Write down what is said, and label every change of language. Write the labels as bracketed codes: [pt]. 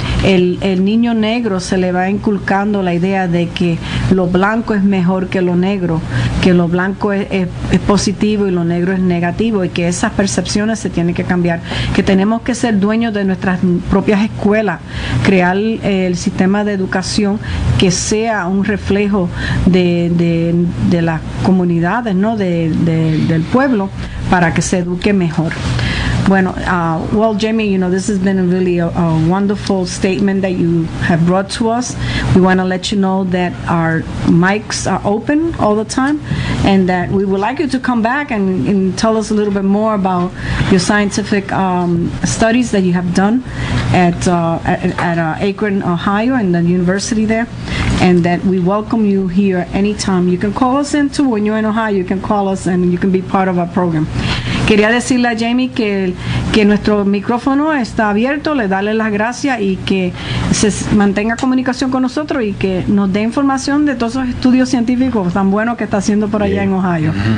[es] el niño negro se le va inculcando la idea de que lo blanco es mejor que lo negro, que lo blanco es positivo y lo negro es negativo, y que esas percepciones se tienen que cambiar, que tenemos que ser dueños de nuestras propias escuelas, crear el sistema de educación que sea un reflejo de las comunidades, ¿no? Del pueblo, para que se eduque mejor. [en] Bueno, well, Jamie, you know, this has been really a wonderful statement that you have brought to us. We want to let you know that our mics are open all the time and that we would like you to come back and tell us a little bit more about your scientific studies that you have done at Akron, Ohio, and the university there, and that we welcome you here anytime. You can call us in, too. When you're in Ohio, you can call us and you can be part of our program. [es] Quería decirle a Jamie que nuestro micrófono está abierto, le darle las gracias y que se mantenga comunicación con nosotros y que nos dé información de todos esos estudios científicos tan buenos que está haciendo por allá en Ohio.